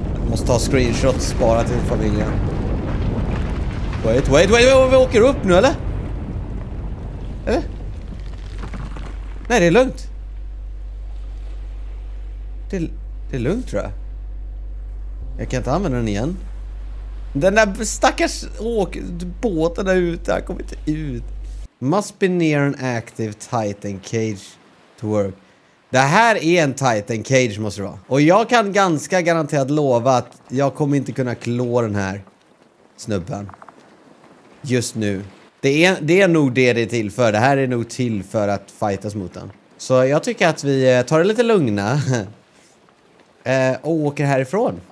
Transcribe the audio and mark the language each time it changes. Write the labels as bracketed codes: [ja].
[sv] Måste ta screenshot, spara till familjen. Wait, vi åker upp nu eller? Eller? Nej, det är lugnt. Det är lugnt tror jag. Jag kan inte använda den igen. Den där stackars båten där ute, han kommer inte ut. [en] Must be near an active titan cage to work. [sv] Det här är en titan cage måste det vara. Och jag kan ganska garanterat lova att jag kommer inte kunna klå den här snubben just nu. Det är nog det är till för. Det här är nog till för att fightas mot den. Så jag tycker att vi tar det lite lugna. Och åker härifrån.